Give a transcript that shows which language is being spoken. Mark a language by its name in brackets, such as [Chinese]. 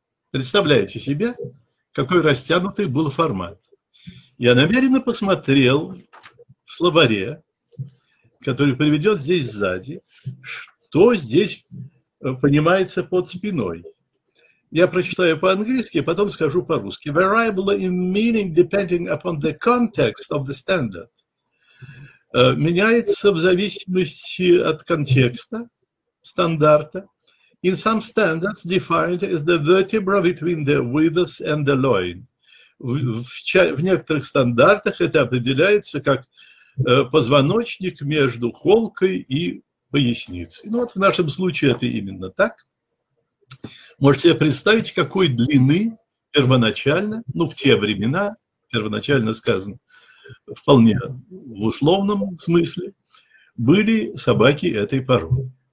[Russian] Представляете себе, какой растянутый был формат. Я намеренно посмотрел в словаре, который приведет здесь сзади, что здесь понимается под спиной. Я прочитаю по-английски, а потом скажу по-русски. [English] Variable in meaning depending upon the context of the standard. [Russian] Меняется в зависимости от контекста стандарта [English] In some standards, defined as the vertebra between the withers and the loin. [Russian] В некоторых стандартах это определяется как позвоночник между холкой и поясницей. Ну вот в нашем случае это именно так. Можете себе представить, какой длины первоначально, ну в те времена, первоначально сказано, вполне в условном смысле, были собаки этой породы.